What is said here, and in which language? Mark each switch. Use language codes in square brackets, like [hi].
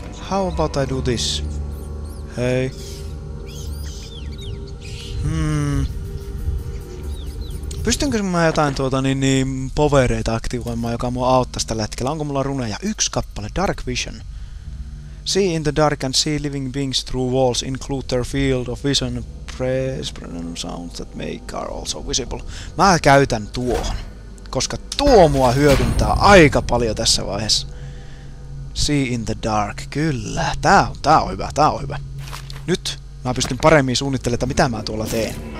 [en] How about I do this? Hei. [fi] Pystynkö mä jotain tuota niin povereita aktivoimaan, joka mua auttaisi tällä hetkellä? Onko mulla runeja? Yksi kappale, Dark Vision. [en] See in the dark and see living beings through walls include their field of vision, presence, sounds that make are also visible. [fi] Mä käytän tuohon, koska tuo mua hyödyntää aika paljon tässä vaiheessa. [en] See in the dark, [fi] kyllä. Tää on hyvä. Nyt mä pystyn paremmin suunnittelemaan, mitä mä tuolla teen.